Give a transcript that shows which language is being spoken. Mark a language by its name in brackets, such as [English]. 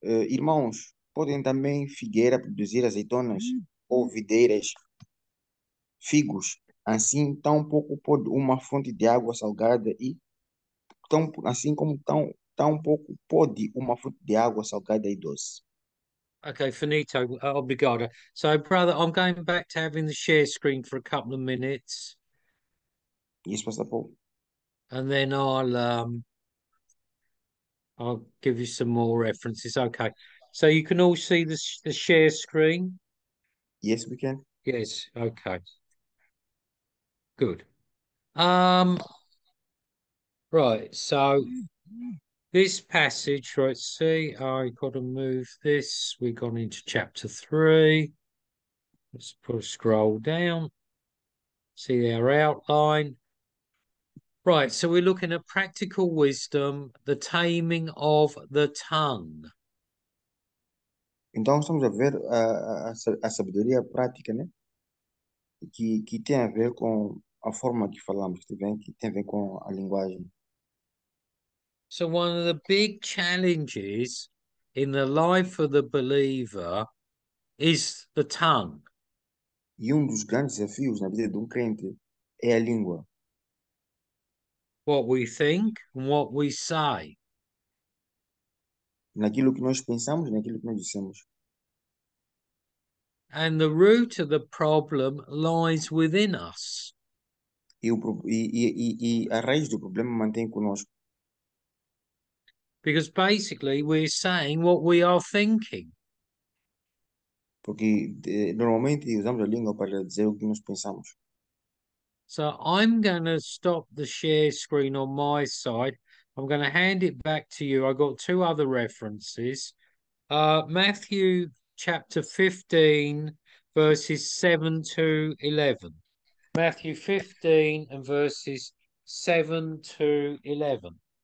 [Portuguese] Irmãos, podem também figueira produzir azeitonas ou videiras figos? Assim, tão pouco pode uma fonte de água salgada e tão assim como tão tão pouco pode uma fonte de água salgada e doce. Okay, finito, obrigado. [English] So, brother, I'm going back to having the share screen for a couple of minutes. [Portuguese] Isso, pastor Paulo. [English] And then I'll give you some more references. Okay. So you can all see the share screen? Yes, we can. Yes, okay. Good. Right, so this passage, right, see, I got to move this. We've gone into chapter 3. Let's put a scroll down. See our outline. Right, so we're looking at practical wisdom, the taming of the tongue. [Portuguese] Então, estamos a ver a sabedoria prática, né? Que tem a ver com a forma que falamos, que tem a ver com a linguagem. [English] So one of the big challenges in the life of the believer is the tongue. [Portuguese] E um dos grandes desafios na vida de um crente é a língua. [English] What we think and what we say. [Portuguese] Naquilo que nós pensamos, naquilo que nós dissemos. [English] And the root of the problem lies within us. [Portuguese] E a raiz do problema mantém conosco. [English] Because basically, we're saying what we are thinking. [Portuguese] Porque normalmente usamos a língua para dizer o que nós pensamos. [English] So, I'm going to stop the share screen on my side. I'm going to hand it back to you. I've got two other references. Matthew chapter 15, verses 7 to 11. Matthew 15 and verses 7 to 11.